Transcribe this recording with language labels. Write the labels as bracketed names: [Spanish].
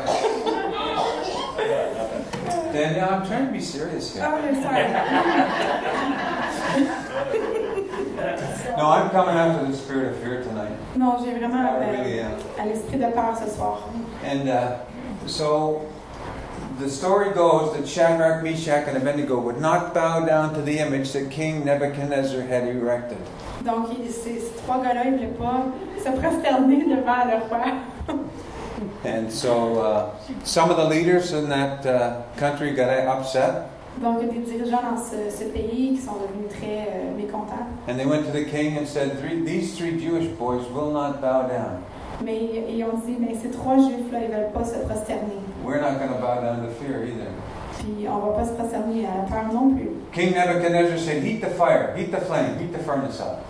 [English] And now I'm trying to be serious here. Oh, I'm sorry. No, I'm coming after the spirit of fear tonight. [French] Non, j'ai vraiment à l'esprit de peur ce soir. [English] And so the story goes that Shadrach, Meshach, and Abednego would not bow down to the image that King Nebuchadnezzar had erected. [French] Donc ces trois gars-là, ils ne voulaient pas se prosterner devant leur père. [English] And so some of the leaders in that country got upset. [French] Donc, des dirigeants dans ce pays qui sont devenus très mécontents. [English] And they went to the king and said, these three Jewish boys will not bow down. [French] Mais ils ont dit, mais ces trois juifs-là, ils veulent pas se prosterner. [English] We're not going to bow down to fear either. [French] Puis on va pas se prosterner à la peur non plus. [English] King Nebuchadnezzar said, heat the fire, heat the flame, heat the furnace up.